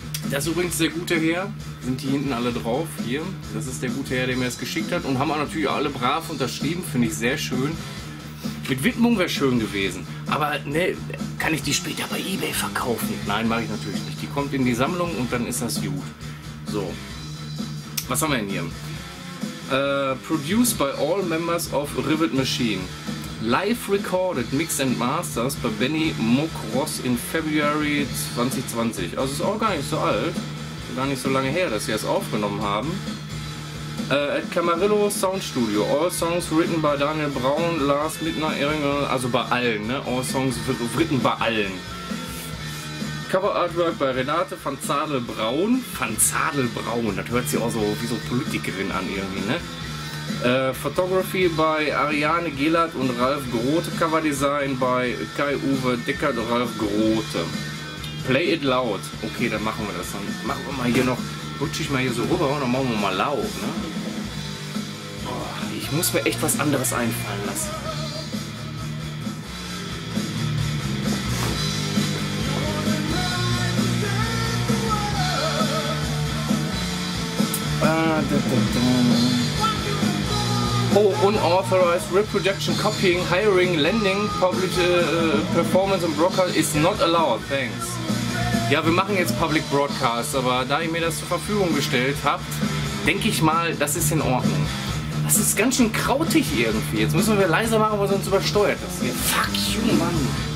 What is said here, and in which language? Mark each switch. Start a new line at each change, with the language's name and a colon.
German: Das ist übrigens der gute Herr. Sind die hinten alle drauf? Hier. Das ist der gute Herr, der mir das geschickt hat. Und haben auch natürlich alle brav unterschrieben. Finde ich sehr schön. Mit Widmung wäre schön gewesen. Aber ne, kann ich die später bei eBay verkaufen? Nein, mache ich natürlich nicht. Die kommt in die Sammlung und dann ist das gut. So. Was haben wir denn hier?
English: Produced by all members of Rivet Machine. Live recorded, mixed and masters by Benny Mokros in February 2020.
German: Also ist auch gar nicht so alt. Gar nicht so lange her, dass sie es aufgenommen haben.
English: At Camarillo Sound Studio. All songs written by Daniel Braun, Lars Mittner, Eringel.
German: Also bei allen, ne?
English: All songs written
German: bei allen. Cover Artwork bei Renate van Zadel Braun. Van Zadel Braun, das hört sich auch so wie so Politikerin an irgendwie, ne? Photography bei Ariane Gelert und Ralf Grote. Cover Design bei Kai-Uwe Deckert und Ralf Grote.
English: Play it loud.
German: Okay, dann machen wir das. Dann machen wir mal hier noch, rutsche ich mal hier so rüber und dann machen wir mal laut, ne? Boah, ich muss mir echt was anderes einfallen lassen.
English: Oh, unauthorized reproduction, copying, hiring, lending, public performance and broadcast is not allowed. Thanks.
German: Ja, wir machen jetzt Public Broadcast, aber da ihr mir das zur Verfügung gestellt habt, denke ich mal, das ist in Ordnung. Das ist ganz schön krautig irgendwie. Jetzt müssen wir leiser machen, weil sonst übersteuert das hier.
English: Fuck you, Mann.